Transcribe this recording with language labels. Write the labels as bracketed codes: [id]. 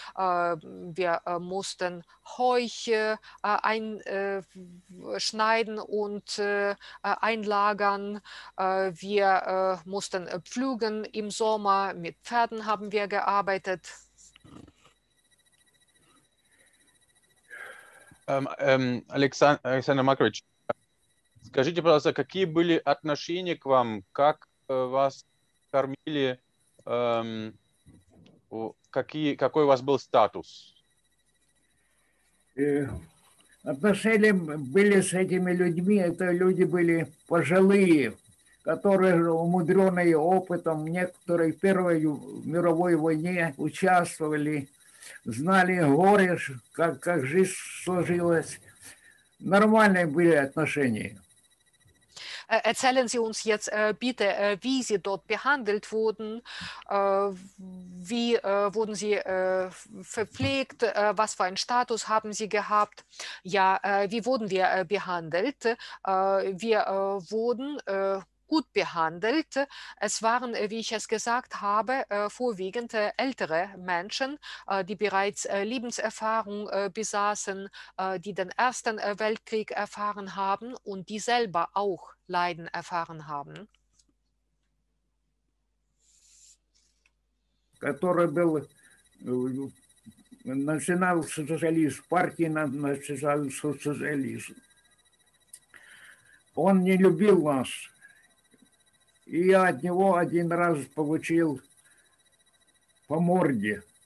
[de] Wir mussten Heu einschneiden und einlagern. Wir mussten pflügen im Sommer, mit Pferden haben wir gearbeitet. [ru] Александр Макрович, скажите, пожалуйста, какие были отношения к вам, как вас кормили, какой у вас был статус? Отношения были с этими людьми, это люди были пожилые, которые умудренные опытом, некоторые в Первой мировой войне участвовали, знали горе, как жизнь сложилась. Нормальные были отношения. [de] Erzählen Sie uns jetzt bitte, wie Sie dort behandelt wurden, wie wurden Sie verpflegt, was für einen Status haben Sie gehabt, ja, wie wurden wir behandelt, wir wurden gut behandelt. Es waren, wie ich es gesagt habe, vorwiegend ältere Menschen, die bereits Lebenserfahrung besaßen, die den Ersten Weltkrieg erfahren haben und die selber auch Leiden erfahren haben. [ru] Который был национал-социалист, партии национал-социалист. Он не любил нас. И я от него один раз получил по морде.